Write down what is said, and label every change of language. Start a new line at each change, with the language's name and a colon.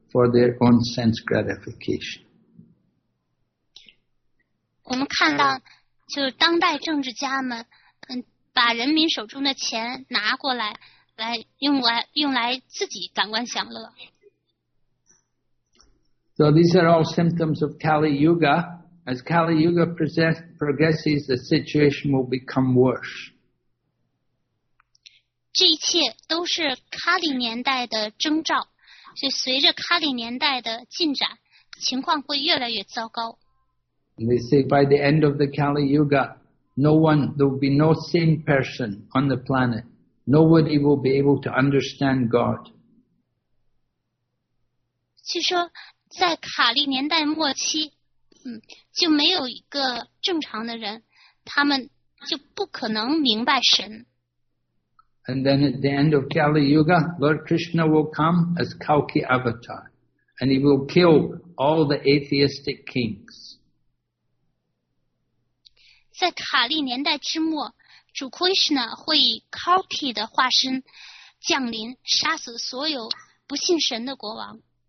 English: For their own sense gratification.
Chinese: 我们看到，就是当代政治家们，把人民手中的钱拿过来，用来自己感官享乐。
English: So these are all symptoms of Kali Yuga. As Kali Yuga progresses, the situation will become worse.
Chinese: 这一切都是卡里年代的征兆。就随着卡里年代的进展，情况会越来越糟糕。
English: They say by the end of the Kali Yuga, there will be no sane person on the planet. Nobody will be able to understand God.
Chinese: 据说在卡里年代末期，就没有一个正常的人，他们就不可能明白神。
English: And then at the end of Kali Yuga, Lord Krishna will come as Kalki Avatar, and he will kill all the atheistic kings.
Chinese: 在卡利年代之末，主 Krishna 会以 Kalki 的化身降临，杀死所有不信神的国王。